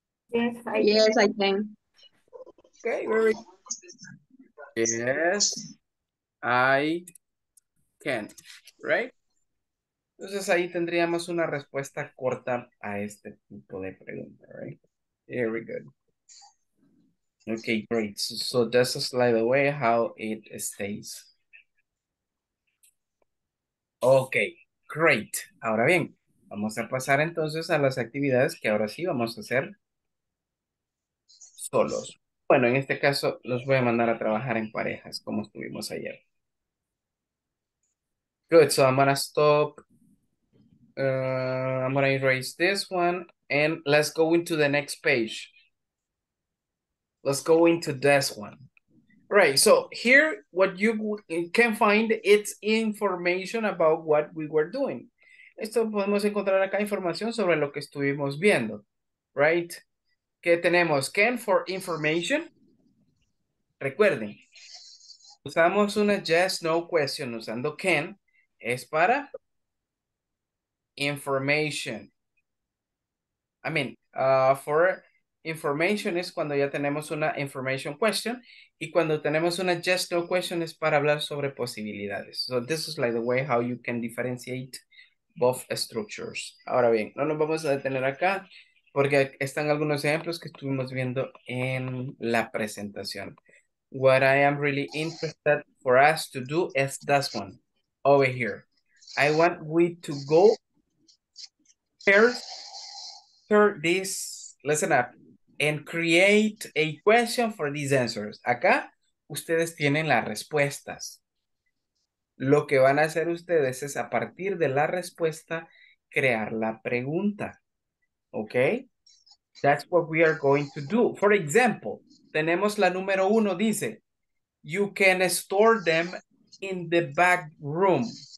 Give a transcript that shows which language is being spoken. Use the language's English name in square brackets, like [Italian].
[English] Yes, I can. Okay, very good. Yes, I can. Right? [Spanish] Entonces ahí tendríamos una respuesta corta a este tipo de pregunta, [English] right? Very good. Okay, great. So just a slide away how it stays. Okay, great. [Spanish] Ahora bien, vamos a pasar entonces a las actividades que ahora sí vamos a hacer solos. Bueno, en este caso los voy a mandar a trabajar en parejas como estuvimos ayer. [English] Good, so I'm gonna stop. I'm gonna erase this one and let's go into the next page. Let's go into this one. Right, so here what you can find it's information about what we were doing. [Spanish] Esto podemos encontrar acá información sobre lo que estuvimos viendo, [English] right? [Spanish] ¿Qué tenemos? [English] Can for information. [Spanish] Recuerden, usamos una [English] yes, no question [Spanish] usando [English] can. [Spanish] Es para information. [English] I mean, for information [Spanish] es cuando ya tenemos una [English] information question. [Spanish] Y cuando tenemos una [English] yes, no question [Spanish] es para hablar sobre posibilidades. [English] So this is like the way how you can differentiate both structures. [Spanish] Ahora bien, no nos vamos a detener acá porque están algunos ejemplos que estuvimos viendo en la presentación. [English] What I am really interested for us to do is this one over here. I want we to go first this, listen up, and create a question for these answers. [Spanish] Acá ustedes tienen las respuestas. Lo que van a hacer ustedes es a partir de la respuesta crear la pregunta. [English] Okay? That's what we are going to do. For example, [Spanish] tenemos la número uno, dice, [English] you can store them in the back room.